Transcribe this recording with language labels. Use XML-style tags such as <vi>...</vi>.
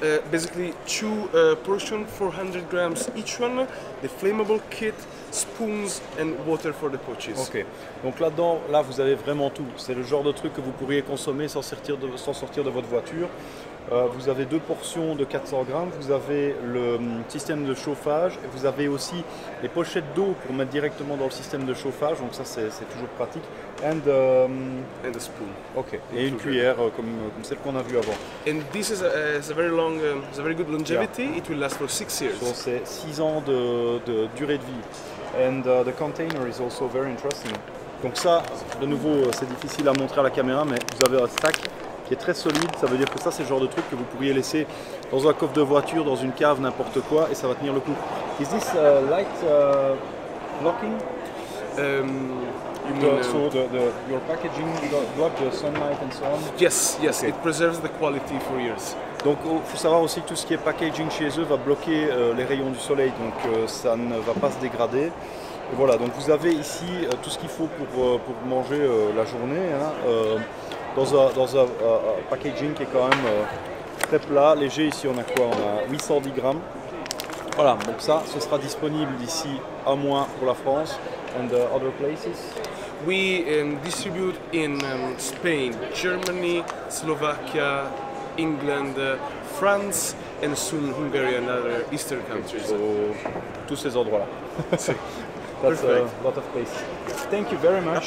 <en>Basically, two portions, 400 grams each one, the flammable kit, spoons and water for the poaches.</en> <fr>Ok, donc là-dedans, là vous avez vraiment tout. C'est le genre de truc que vous pourriez consommer sans sortir de votre voiture. Vous avez deux portions de 400 grammes, vous avez le système de chauffage, et vous avez aussi les pochettes d'eau pour mettre directement dans le système de chauffage, donc ça c'est toujours pratique.</fr> <en>And, and a spoon.</en> <fr>Ok, et une cuillère comme celle qu'on a vue avant.</fr> <en>And this is a very long, it's a very good longevity, yeah. It will last for 6 years.</en> <fr>Donc so c'est 6 ans de durée de vie.</fr> <en>And the container is also very interesting.</en> <fr>Donc ça, de nouveau, c'est difficile à montrer à la caméra, mais vous avez un stack qui est très solide, ça veut dire que ça c'est le genre de truc que vous pourriez laisser dans un coffre de voiture, dans une cave, n'importe quoi, et ça va tenir le coup.</fr> <en>Is this light blocking? You mean so the your packaging block the sunlight and so on? Yes, yes, okay. It preserves the quality for years.</en> <fr>Donc il faut savoir aussi que tout ce qui est packaging chez eux va bloquer les rayons du soleil, donc ça ne va pas se dégrader. Et voilà, donc vous avez ici tout ce qu'il faut pour manger la journée. Hein, dans un packaging qui est quand même très plat, léger. Ici on a quoi? On a 810 grammes. Voilà, donc ça, ce sera disponible d'ici un mois pour la France.</fr> <en>And other places? We distribute in Spain, Germany, Slovakia, England, France, and soon Hungary and other Eastern countries.</en> <fr>So, tous ces endroits-là.</fr> <en>That's a lot of place. Thank you very much.</en>